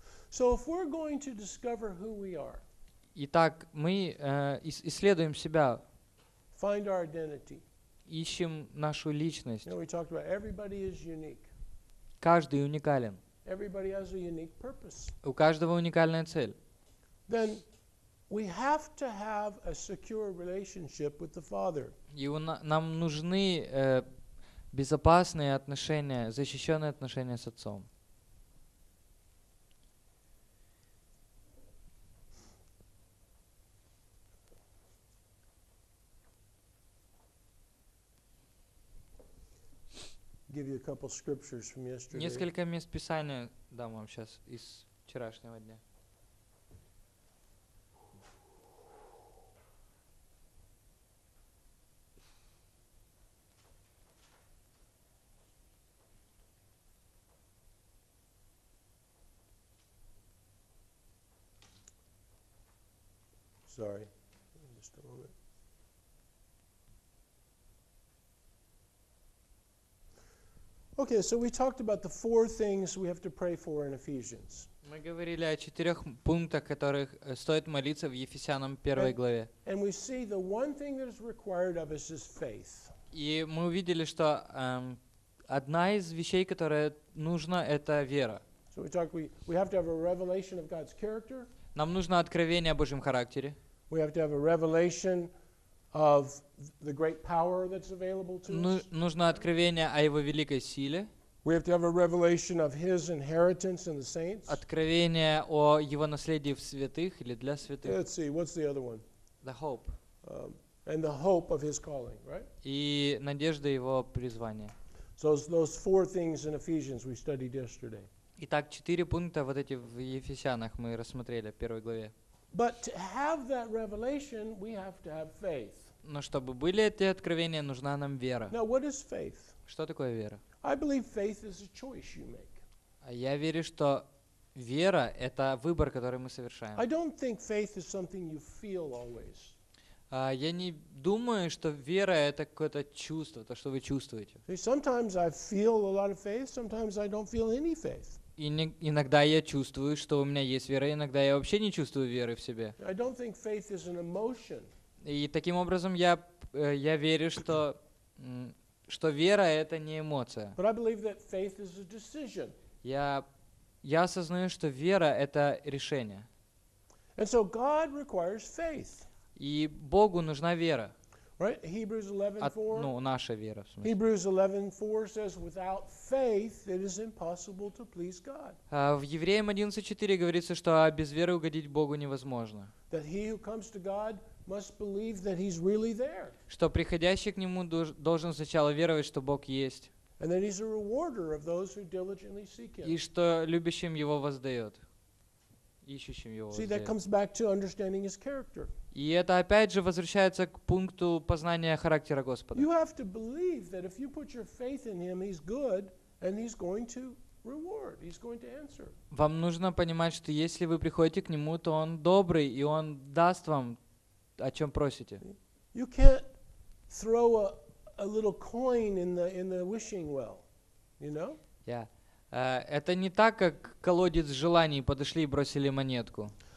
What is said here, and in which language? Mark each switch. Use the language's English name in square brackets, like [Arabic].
[English] So if we're going to discover who we are, [Russian] итак, мы исследуем себя. [English] Find our identity. [Russian] Ищем нашу личность. [English] You know, we talked about everybody is unique. [Russian] Каждый уникален. [English] Everybody has a unique purpose. [Russian] У каждого уникальная цель. [English] Then we have to have a secure relationship with the Father. [Russian] Нам нужны безопасные отношения, защищенные отношения с Отцом. [English] Give you a couple scriptures from yesterday. [Russian] Несколько мест Писания дам вам сейчас из вчерашнего дня. [English] Sorry, just a moment. Okay, so we talked about the four things we have to pray for in Ephesians. [Russian] Мы говорили о четырех пунктах, которых стоит молиться в Ефесянам первой главе. [English] And we see the one thing that is required of us is faith. [Russian] И мы увидели, что одна из вещей, которая нужна, это вера. [English] So we talked. We have to have a revelation of God's character. [Russian] Нам нужно откровение о Божьем характере. [English] We have to have a revelation of the great power that's available to us. [Russian] Нужно откровение о его великой силе. [English] We have to have a revelation of his inheritance in the saints. [Russian] Откровение о его наследии в святых или для святых. [English] Let's see, what's the other one? The hope. And the hope of his calling, right? [Russian] И надежда его призвания. [English] So those four things in Ephesians we studied yesterday. [Russian] Итак, четыре пункта вот эти в Ефесянах мы рассмотрели в первой главе. [English] But to have that revelation, we have to have faith. [Russian] Но чтобы были эти откровения, нужна нам вера. [English] Now, what is faith? [Russian] Что такое вера? [English] I believe faith is a choice you make. [Russian] Я верю, что вера — это выбор, который мы совершаем. [English] I don't think faith is something you feel always. [Russian] Я не думаю, что вера — это какое-то чувство, то, что вы чувствуете. [English] Sometimes I feel a lot of faith, sometimes I don't feel any faith. [Russian] И иногда я чувствую, что у меня есть вера, иногда я вообще не чувствую веры в себе. [English] I don't think faith is an emotion. [Russian] И таким образом я верю, что вера — это не эмоция. [English] But I believe that faith is a decision. [Russian] Я осознаю, что вера — это решение. [English] And so God requires faith. [Russian] И Богу нужна вера. [English] Right? Hebrews 11:4. [Russian] Ну, наша вера, в смысле. [English] Hebrews 11:4 says, without faith it is impossible to please God. [Russian] В Евреям 11:4 говорится, что без веры угодить Богу невозможно. [English] That he who comes to God must believe that he's really there. [Russian] Что приходящий к нему должен сначала веровать, что Бог есть. [English] And that he's a rewarder of those who diligently seek him. [Russian] И что любящим его воздает. [English] See, that comes back to understanding his character. [Russian] И это опять же возвращается к пункту познания характера Господа. [English] You have to believe that if you put your faith in him, he's good and he's going to reward. He's going to answer. [Russian] Вам нужно понимать, что если вы приходите к нему, то он добрый и он даст вам, о чем просите. [English] You can't throw a little coin in the wishing well, you know? Yeah. [Russian] Это не так, как колодец желаний, подошли и бросили монетку.